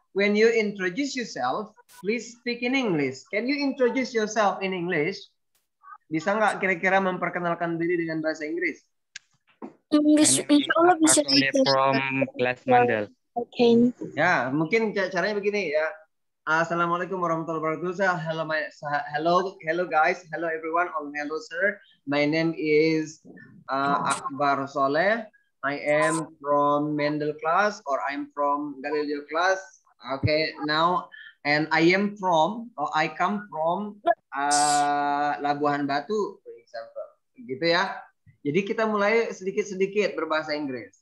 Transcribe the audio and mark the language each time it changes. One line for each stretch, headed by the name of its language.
English: When you introduce yourself, please speak in English. Can you introduce yourself in English?
Indonesian: Bisa nggak kira-kira memperkenalkan diri dengan bahasa Inggris? English, insya Allah bisa.
English: From class Mandel. Okay.
Indonesian: Ya, mungkin caranya begini ya.
Arabic: Assalamualaikum warahmatullahi wabarakatuh.
English: Hello guys. Hello everyone. Oh, hello sir. My name is Akbar Soleh. I am from Mandel class or I'm from Galileo class. Okay, now, and I come from Labuhan Batu, for example.
Indonesian: Gitu ya. Jadi kita mulai sedikit-sedikit berbahasa Inggris.